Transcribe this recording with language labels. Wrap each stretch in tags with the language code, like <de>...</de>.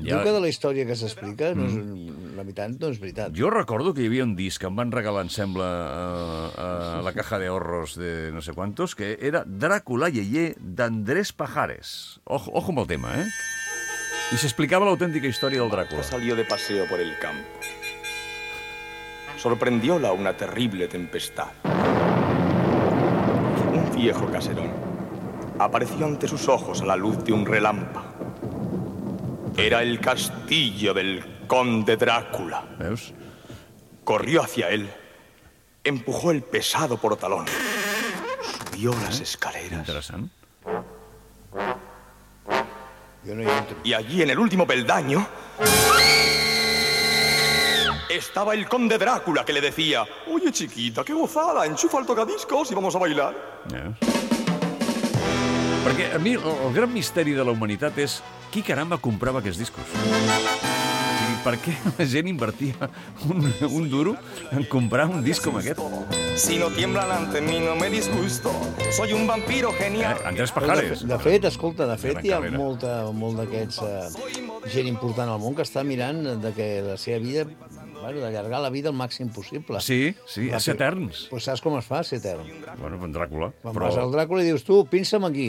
<ca>Diu que de la història que s'explica, la meitat no és veritat. Jo recordo que hi havia un disc que em van regalar, em sembla, a la Caja de Horros de no sé quantos, que era Dràcula Yeye d'Andrés Pajares. Ojo amb el tema, I s'explicava l'autèntica història del Dràcula.</ca> <es>Salió de paseo por el campo. Sorprendióla una terrible tempestad. Un viejo caserón apareció ante sus ojos a la luz de un relámpago. Era el castillo del conde Drácula. ¿Ves? Corrió hacia él, empujó el pesado portalón, subió las escaleras. Interesante. Yo no entro. Y allí, en el último peldaño, estaba el conde Drácula, que le decía: oye, chiquita, qué gozada, enchufa el tocadiscos y vamos a bailar.</es> <en>Yes.</en> <ca>Perquè a mi el gran misteri de la humanitat és qui caramba comprava aquests discos. I per què la gent invertia un duro en comprar un disc com aquest?</ca> <es>Si no tiemblan ante mí, no me disgusto. Soy un vampiro genial. Andrés Pajares.</es> <ca>De fet, hi ha molt d'aquests gent important al món que està mirant de que la seva vida... d'allargar la vida al màxim possible. Sí, a ser eterns. Pues saps com es fa, ser etern? Bueno, en Dràcula. Vas al Dràcula i dius, tu, pinça'm aquí.</ca>